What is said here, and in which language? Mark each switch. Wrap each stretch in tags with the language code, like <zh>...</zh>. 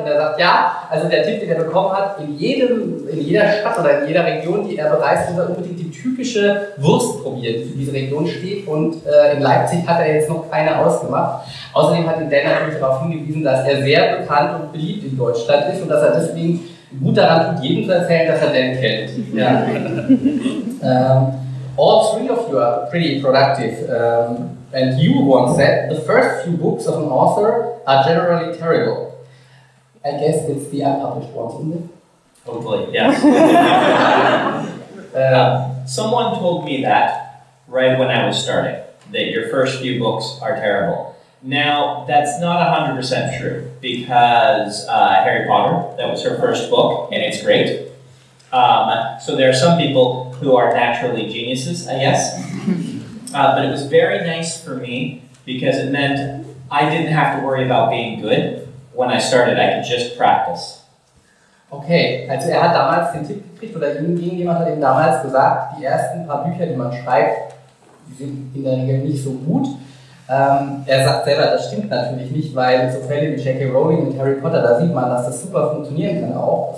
<de>Und er sagt, ja, also der Tipp, den er bekommen hat, in jeder Stadt oder in jeder Region, die er bereist, muss er unbedingt die typische Wurst probieren, die für diese Region steht. Und in Leipzig hat er jetzt noch keine ausgemacht. Außerdem hat ihn Dan natürlich darauf hingewiesen, dass er sehr bekannt und beliebt in Deutschland ist und dass er deswegen gut daran tut, jedem zu erzählen, dass er Dan kennt. Ja.</de> <en>All three of you are pretty productive, and you once said, the first few books of an author are generally terrible. I guess it's the unpublished ones, isn't it? Hopefully, yes. someone told me that right when I was starting, that your first few books are terrible. Now, that's not 100% true, because Harry Potter, that was her first book, and it's great. So there are some people who are naturally geniuses, I guess. But it was very nice for me because it meant I didn't have to worry about being good when I started. I could just practice.</en> <de>Okay, also hat damals den Tipp gekriegt, oder irgendjemand hat ihm damals gesagt, die ersten paar Bücher, die man schreibt, sind in der Regel nicht so gut. Er sagt selber, das stimmt natürlich nicht, weil so Fälle wie J.K. Rowling und Harry Potter, da sieht man, dass das super funktionieren kann auch.</de>